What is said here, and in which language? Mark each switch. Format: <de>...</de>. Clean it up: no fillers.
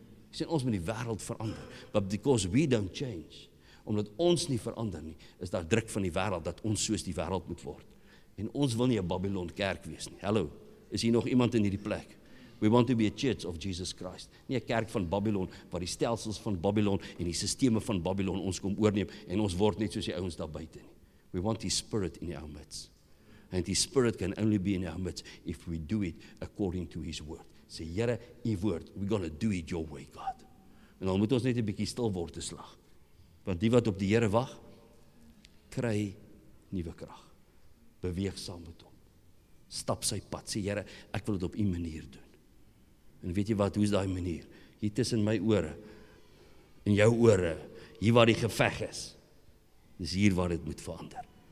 <af>Jy sê, ons moet die wêreld verander.</af> <en>But because we don't change,</en> <af>omdat ons nie verander nie, is daar druk van die wêreld, dat ons soos die wêreld moet word. En ons wil nie 'n Babylon kerk wees nie. Hallo, is hier nog iemand in hierdie plek?</af> <en>We want to be a church of Jesus Christ.</en> <af>Nie 'n kerk van Babylon, waar die stelsels van Babylon en die sisteme van Babylon ons kom oorneem, en ons word net soos die ouens daar buite nie.</af> <en>We want His Spirit in our midst. And His Spirit can only be in our midst if we do it according to His Word.</en> <af>Sê, Here, U Word,</af> <en>we're gonna do it your way, God.</en> <af>En dan moet ons net 'n bietjie stil word te slag. Want die wat op die Here wag, kry nuwe krag. Beweeg saam met hom. Stap sy pad. Sê, Here, ek wil dit op u manier doen. En weet jy wat, hoe is daai manier? Hier tussen my ore, in jou ore, hier waar die geveg is, is hier waar dit moet verander.</af>